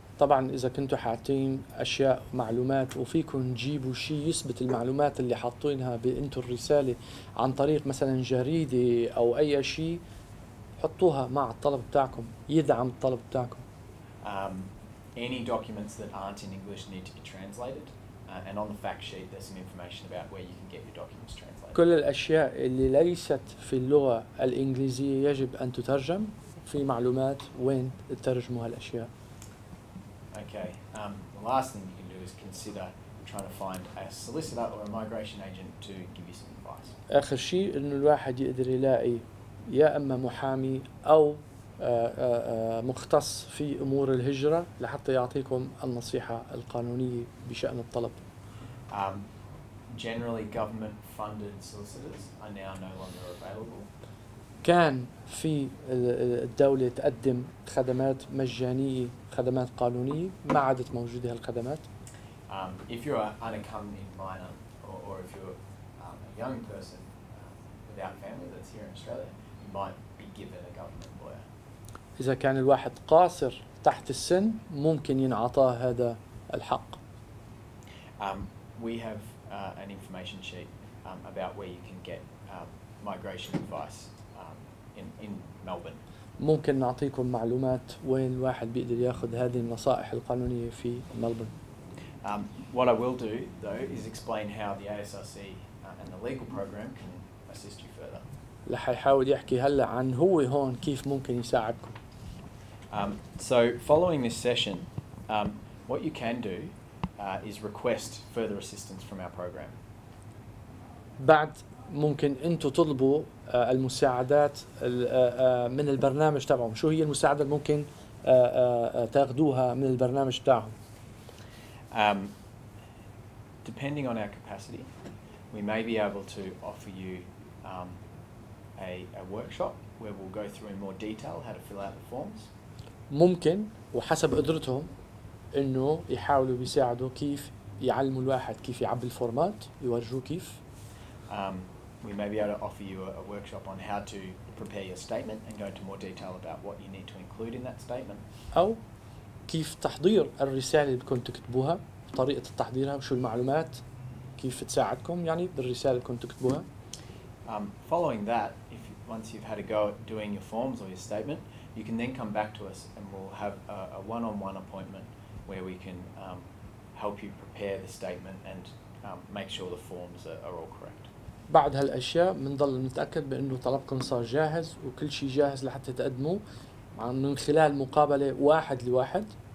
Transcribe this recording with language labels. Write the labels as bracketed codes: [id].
[ar] طبعا إذا كنتوا حاطين أشياء معلومات وفيكم تجيبوا شيء يثبت المعلومات اللي حاطينها بإنتو الرسالة عن طريق مثلا جريدة أو أي شيء حطوها مع الطلب بتاعكم يدعم الطلب بتاعكم [en] Any documents that aren't in English need to be translated And on the fact sheet, there's some information about where you can get your documents translated. [ar] كل الأشياء اللي ليست في اللغة الإنجليزية يجب أن تترجم. في معلومات وين تترجموا هالأشياء. [en] Okay. The last thing you can do is consider trying to find a solicitor or a migration agent to give you some advice. [ar] آخر شيء إنه الواحد يقدر يلاقي يا إما محامي أو مختص في أمور الهجرة لحتى يعطيكم النصيحة القانونية بشأن الطلب. [en] Generally, government-funded solicitors are now no longer available. [ar] كان في الدولة تقدم خدمات مجانية خدمات قانونية ما عادت موجودة هالخدمات. [en] If you're an unaccompanied minor or if you're a young person without family that's here in Australia, you might be given a government lawyer. [ar] إذا كان الواحد قاصر تحت السن ممكن ينعطى هذا الحق. [en] We have an information sheet about where you can get migration advice in Melbourne. [ar] ممكن نعطيكم معلومات وين الواحد بيقدر ياخذ هذه النصائح القانونية في ملبورن. [en] What I will do though is explain how the ASRC and the legal program can assist you further. [ar] لح يحاول يحكي هلا عن هو هون كيف ممكن يساعدكم. [en] So following this session, what you can do is request further assistance from our program. [ar] بعد ممكن انتو تطلبوا المساعدات من البرنامج تبعهم. شو هي المساعدة ممكن تاخدوها من البرنامج تبعهم؟ [en] Depending on our capacity, we may be able to offer you a workshop where we'll go through in more detail how to fill out the forms. [ar] ممكن وحسب قدرتهم انه يحاولوا يساعدوا كيف يعلموا الواحد كيف يعبي الفورمات يورجوه كيف. [en] We may be able to offer you a workshop on how to prepare your statement and go into more detail about what you need to include in that statement. [ar] او كيف تحضير الرساله اللي بدكم تكتبوها طريقه تحضيرها وشو المعلومات كيف تساعدكم يعني بالرساله اللي بدكم تكتبوها. [en] Following that, if once you've had a go at doing your forms or your statement, you can then come back to us and we'll have a one-on-one appointment where we can help you prepare the statement and make sure the forms are all correct. [ar] بعد هالأشياء منضل نتأكد بأنه طلبكم صار جاهز وكل شيء جاهز لحتى تقدموا من خلال مقابلة واحد لواحد.